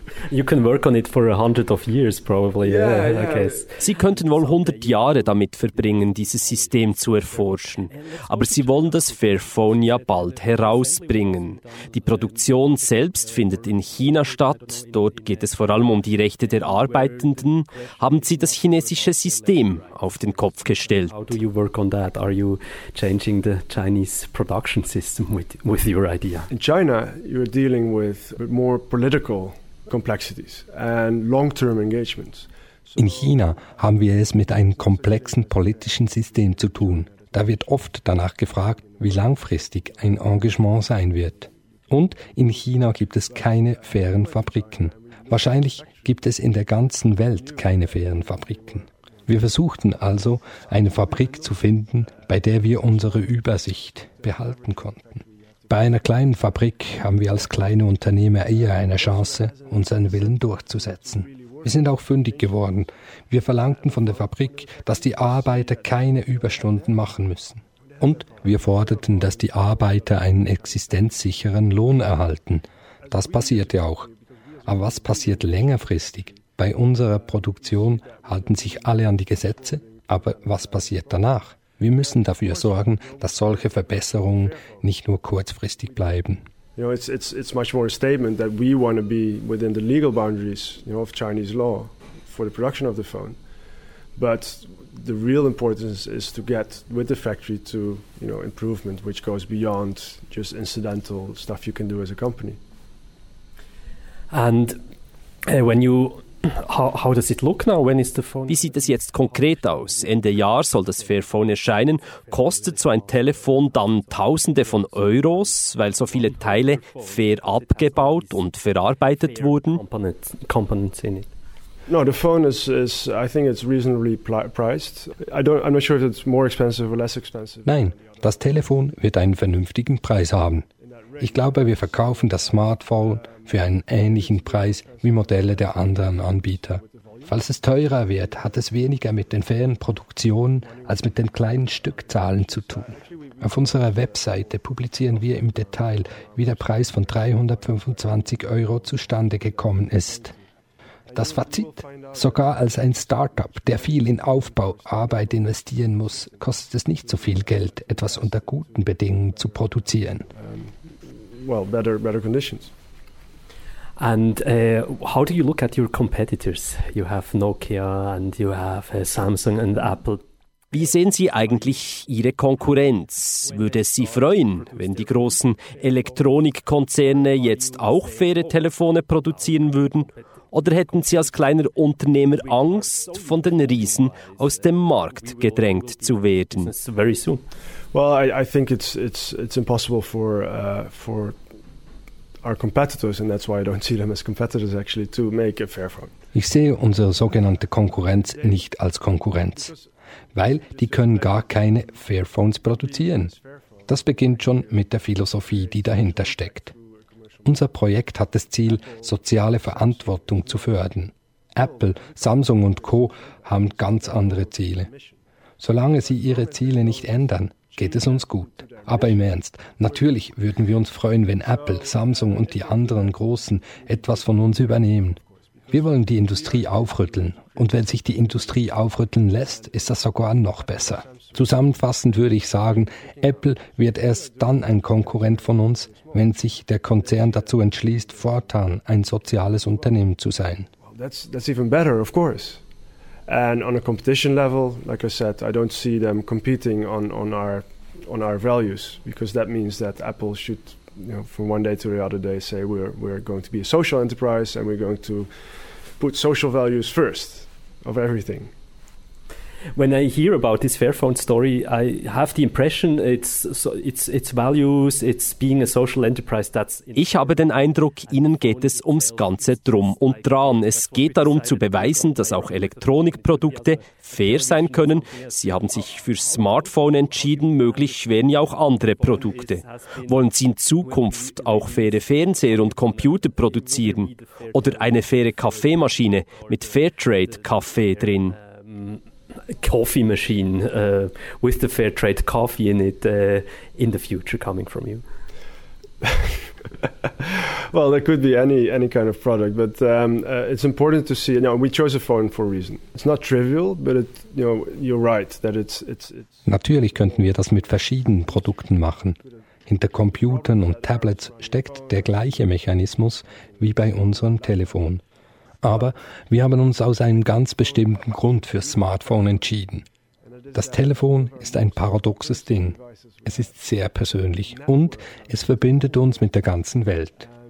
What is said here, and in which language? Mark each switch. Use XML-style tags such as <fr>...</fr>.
<en>You can work on it for 100 years, probably. Yeah, I guess.</en> <de>Sie könnten wohl 100 Jahre damit verbringen, dieses System zu erforschen. Aber Sie wollen das Fairphone ja bald herausbringen. Die Produktion selbst findet in China statt. Dort geht es vor allem um die Rechte der Arbeitenden. Haben Sie das chinesische System auf den Kopf gestellt?</de> <en>How do you work on that? Are you changing the Chinese production system with your idea? In China, you're dealing with more political complexities and long-term engagements.</en> <de>In China haben wir es mit einem komplexen politischen System zu tun. Da wird oft danach gefragt, wie langfristig ein Engagement sein wird. Und in China gibt es keine fairen Fabriken. Wahrscheinlich gibt es in der ganzen Welt keine fairen Fabriken. Wir versuchten also, eine Fabrik zu finden, bei der wir unsere Übersicht behalten konnten. Bei einer kleinen Fabrik haben wir als kleine Unternehmer eher eine Chance, unseren Willen durchzusetzen. Wir sind auch fündig geworden. Wir verlangten von der Fabrik, dass die Arbeiter keine Überstunden machen müssen. Und wir forderten, dass die Arbeiter einen existenzsicheren Lohn erhalten. Das passierte auch. Aber was passiert längerfristig? Bei unserer Produktion halten sich alle an die Gesetze, aber was passiert danach? Wir müssen dafür sorgen, dass solche Verbesserungen nicht nur kurzfristig bleiben.</de> <en>You know, it's much more a statement that we want to be within the legal boundaries, you know, of Chinese law for the production of the phone. But the real importance is to get with the factory to, you know, improvement which goes beyond just incidental stuff you can do as a company. And when you how does it look now? When is the phone?</en> <de>Wie sieht es jetzt konkret aus? Ende Jahr soll das Fairphone erscheinen. Kostet so ein Telefon dann Tausende von Euros, weil so viele Teile fair abgebaut und verarbeitet wurden?</de> <en>Components in it. No, the phone is I think it's reasonably priced. I'm not sure if it's more expensive or less expensive.</en> <de>Nein, das Telefon wird einen vernünftigen Preis haben. Ich glaube, wir verkaufen das Smartphone für einen ähnlichen Preis wie Modelle der anderen Anbieter. Falls es teurer wird, hat es weniger mit den fairen Produktionen als mit den kleinen Stückzahlen zu tun. Auf unserer Webseite publizieren wir im Detail, wie der Preis von 325 Euro zustande gekommen ist. Das Fazit? Sogar als ein Startup, der viel in Aufbauarbeit investieren muss, kostet es nicht so viel Geld, etwas unter guten Bedingungen zu produzieren.</de> <en>Well, better conditions. And how do you look at your competitors? You have Nokia and you have Samsung and Apple.</en> <de>Wie sehen Sie eigentlich Ihre Konkurrenz? Würde es Sie freuen, wenn die großen Elektronikkonzerne jetzt auch faire Telefone produzieren würden? Oder hätten Sie als kleiner Unternehmer Angst, von den Riesen aus dem Markt gedrängt zu werden?</de> <en>Very soon. Well, I think it's impossible for our competitors, and that's why I don't see them as competitors actually, to make a fair phone.</en> <de>Ich sehe unsere sogenannte Konkurrenz nicht als Konkurrenz, weil die können gar keine Fairphones produzieren. Das beginnt schon mit der Philosophie, die dahinter steckt. Unser Projekt hat das Ziel, soziale Verantwortung zu fördern. Apple, Samsung und Co. haben ganz andere Ziele. Solange sie ihre Ziele nicht ändern, geht es uns gut. Aber im Ernst, natürlich würden wir uns freuen, wenn Apple, Samsung und die anderen Großen etwas von uns übernehmen. Wir wollen die Industrie aufrütteln. Und wenn sich die Industrie aufrütteln lässt, ist das sogar noch besser. Zusammenfassend würde ich sagen, Apple wird erst dann ein Konkurrent von uns, wenn sich der Konzern dazu entschließt, fortan ein soziales Unternehmen zu sein.</de> <en>That's even better, of course. And on a competition level, like I said, I don't see them competing on our values, because that means that Apple should, you know, from one day to the other day say we're going to be a social enterprise and we're going to put social values first of everything. When I hear about this Fairphone story, I have the impression it's values, it's being a social enterprise. That's.</en> <de>Ich habe den Eindruck, Ihnen geht es ums Ganze drum und dran. Es geht darum zu beweisen, dass auch Elektronikprodukte fair sein können. Sie haben sich für Smartphone entschieden, möglich wären ja auch andere Produkte. Wollen Sie in Zukunft auch faire Fernseher und Computer produzieren oder eine faire Kaffeemaschine mit Fairtrade Kaffee drin?</de> <en>coffee machine with the fair trade coffee in it in the future coming from you? Well, there could be any kind of product, but it's important to see. Now, we chose a phone for a reason. It's not trivial, but it, you know, you're right that it's.</en> <de>Natürlich könnten wir das mit verschiedenen Produkten machen. Hinter Computern und Tablets steckt der gleiche Mechanismus wie bei unserem Telefon. Aber wir haben uns aus einem ganz bestimmten Grund für Smartphone entschieden. Das Telefon ist ein paradoxes Ding. Es ist sehr persönlich und es verbindet uns mit der ganzen Welt.</de>